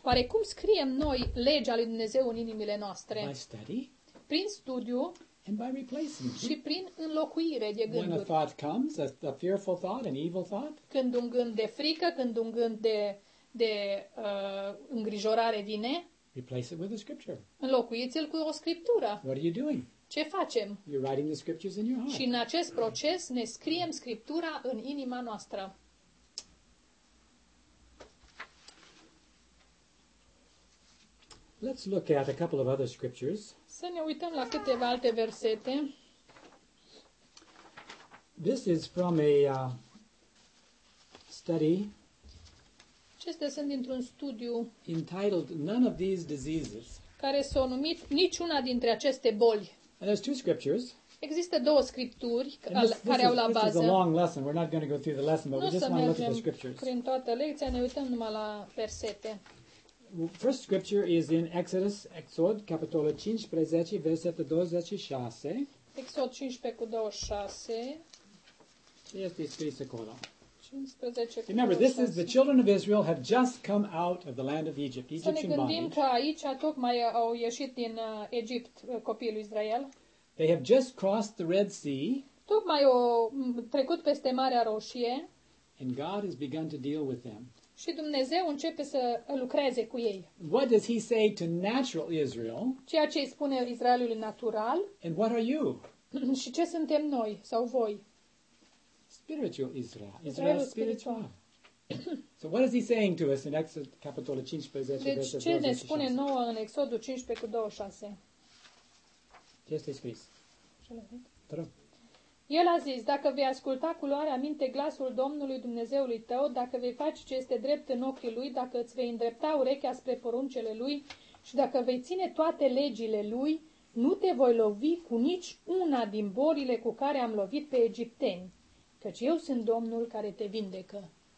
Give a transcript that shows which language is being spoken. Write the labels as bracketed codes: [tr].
[ro] Oare cum scriem noi legea lui Dumnezeu în inimile noastre? [en] By study. [ro] Prin studiu. [en] And by replacing. [ro] Și prin înlocuire de gânduri. [en] When a thought comes, a fearful thought, an evil thought. [ro] Când un gând de frică, când un gând de îngrijorare vine. [en] Replace it with a scripture. [ro] Înlocuiți-l cu o scriptură. [en] What are you doing? [ro] Ce facem? [en] You're writing the scriptures in your heart. [ro] Și în acest proces ne scriem scriptura în inima noastră. [en] Let's look at a couple of other scriptures. [ro] Să ne uităm la câteva alte versete. [en] This is from a study. [ro] Acestea sunt dintr-un studiu [en] entitled None of These Diseases. [ro] Care s-a numit Niciuna dintre aceste boli. [en] And there's two scriptures. [ro] Există două scripturi care au la bază. [en] This is a long lesson. We're not going to go through the lesson, but we just want to look at the scriptures. [ro] Prin toată lecția ne uităm numai la versete. [en] First scripture is in Exod, [ro] capitolul 15, versetul 26. Exod 15:26. Ce este scris acolo? 15:26. [en] Remember, this is the children of Israel have just come out of the land of Egypt, Egyptian bondage. [ro] Să ne gândim că aici tocmai au ieșit din Egipt copiii lui Israel. [en] They have just crossed the Red Sea. [ro] Tocmai au trecut peste Marea Roșie. [en] And God has begun to deal with them. [ro] Și Dumnezeu începe să lucreze cu ei. [en] What does he say to natural Israel? [ro] Ceea ce îi spune Israelului natural. [en] And what are you? [ro] Și ce suntem noi sau voi? [en] Spiritual Israel. [ro] Israel spiritual. [en] So what is he saying to us in Exod [ro] capitolul 15 versetul 26? Deci ce ne spune nouă în Exodul 15:26? Ce este scris? El a zis, dacă vei asculta cu luare aminte glasul Domnului Dumnezeului tău, dacă vei face ce este drept în ochii lui, dacă îți vei îndrepta urechea spre poruncele lui și dacă vei ține toate legile lui, nu te voi lovi cu nici una din bolile cu care am lovit pe egipteni, căci eu sunt Domnul care te vindecă.